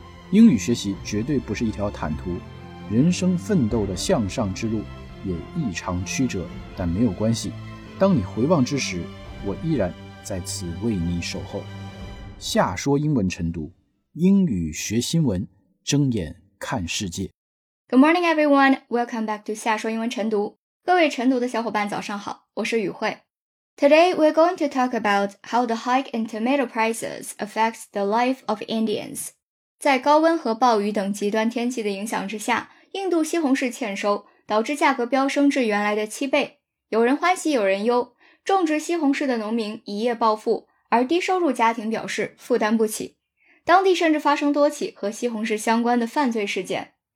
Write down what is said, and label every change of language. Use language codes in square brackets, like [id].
[zh] 英语学习绝对不是一条坦途，人生奋斗的向上之路也异常曲折，但没有关系，当你回望之时，我依然在此为你守候。夏说英文晨读，英语学新闻，睁眼看世界。 [en] Good morning everyone, welcome back to 夏说英文晨读。 [zh] 各位晨读的小伙伴早上好，我是雨慧。 [en] Today we're going to talk about how the hike in tomato prices affects the life of Indians. [zh] 在高温和暴雨等极端天气的影响之下，印度西红柿欠收，导致价格飙升至原来的七倍。有人欢喜有人忧，种植西红柿的农民一夜暴富，而低收入家庭表示负担不起。当地甚至发生多起和西红柿相关的犯罪事件。